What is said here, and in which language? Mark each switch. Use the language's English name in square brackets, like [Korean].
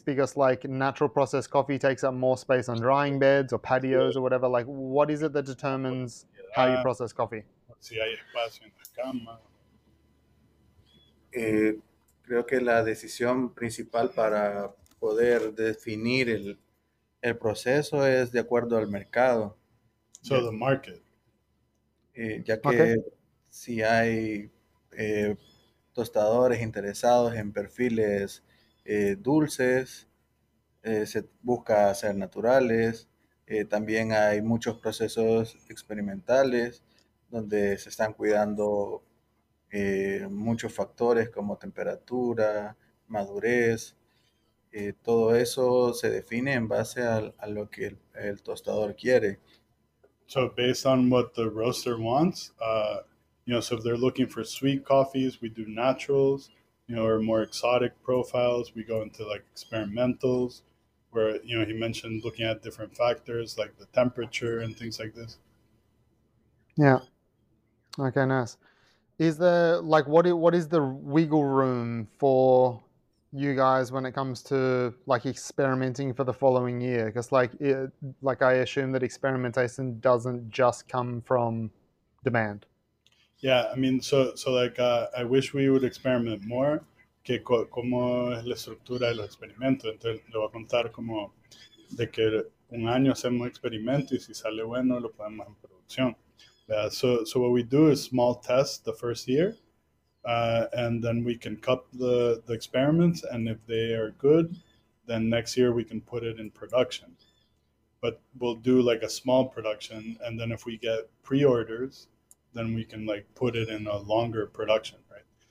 [English] Because like natural processed coffee takes up more space on drying beds or patios or whatever. Like, what is it that determines how you process coffee? [Spanish] Si hay espacio en la cama. Creo que la decisión principal para poder definir el proceso es de acuerdo al mercado. [English] So the market. [Spanish] Ya que si hay tostadores interesados en perfiles dulces, se busca hacer naturales. También hay muchos procesos experimentales donde se están cuidando muchos factores como temperatura, madurez. Todo eso se define en base a lo que el tostador quiere. [English] So based on what the roaster wants, you know, so if they're looking for sweet coffees, we do naturals, you know, or more exotic profiles, we go into like experimentals, where, you know, he mentioned looking at different factors like the temperature and things like this. Yeah. Okay, nice. Is there like what is the wiggle room for you guys when it comes to like experimenting for the following year? Because like I assume that experimentation doesn't just come from demand. Yeah, I mean, I wish we would experiment more. [Spanish] Que cómo es la estructura de los experimentos. Entonces, le voy a contar como de que un año hacemos experimento y si sale bueno lo podemos en producción. [English] So what we do is small tests the first year, and then we can cut the experiments, and if they are good, then next year we can put it in production. But we'll do like a small production, and then if we get pre-orders, then we can like put it in a longer production, right?